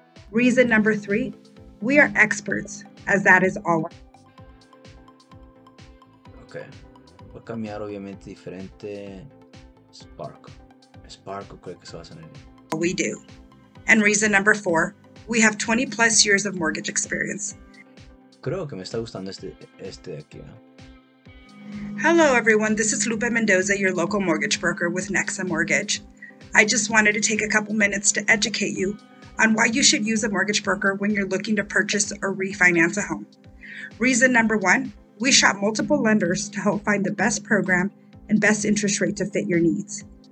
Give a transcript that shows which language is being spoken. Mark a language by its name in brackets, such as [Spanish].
[English] Reason number three, we are experts, as that is all. [Spanish] Okay. Voy a cambiar obviamente diferente Sparkle creo que se va a sonar. [English] We do. And reason number four, we have 20 plus years of mortgage experience. [Spanish] Creo que me está gustando este de aquí, ¿no? [English] Hello everyone, this is Lupe Mendoza, your local mortgage broker with Nexa Mortgage. I just wanted to take a couple minutes to educate you on why you should use a mortgage broker when you're looking to purchase or refinance a home. Reason number one, we shop multiple lenders to help find the best program and best interest rate to fit your needs.